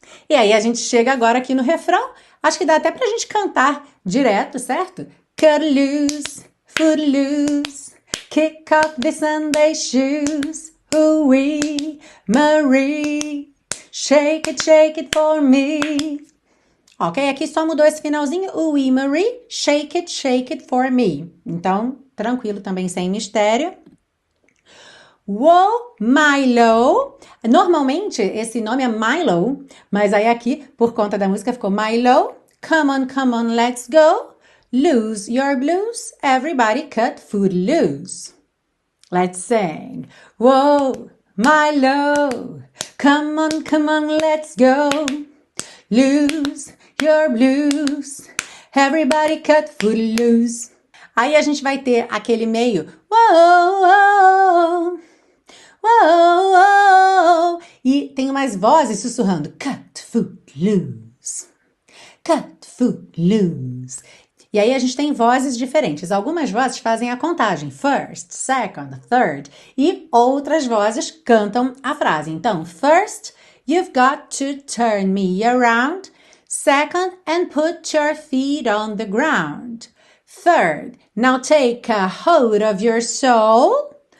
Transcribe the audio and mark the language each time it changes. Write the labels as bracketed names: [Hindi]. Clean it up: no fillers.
[Portuguese] E aí a gente chega agora aqui no refrão. Acho que dá até pra gente cantar direto, certo? [English] Cut loose, foot loose. Kick off the Sunday shoes. Ooh-wee, Marie. Shake it for me. [Portuguese] Ok, aqui só mudou esse finalzinho. Ooh-wee, Marie. [English] Shake it for me. [Portuguese] Então, tranquilo também, sem mistério. Whoa, Milo. Normalmente, esse nome é Milo, mas aí aqui, por conta da música, ficou Milo. [English] Come on, let's go. Lose your blues. Everybody cut food loose. Let's sing. Whoa, Milo. Come on, let's go. Lose your blues. Everybody cut food loose. [Portuguese] Aí a gente vai ter aquele meio. [English] Whoa, whoa. [Portuguese] Whoa, whoa. E tem umas vozes sussurrando. [English] Cut food loose. Cut food loose. [Portuguese] E aí a gente tem vozes diferentes. Algumas vozes fazem a contagem. [English] First, second, third. [Portuguese] E outras vozes cantam a frase. Então, [English] first, you've got to turn me around. Second, and put your feet on the ground. Third, now take a hold of your soul.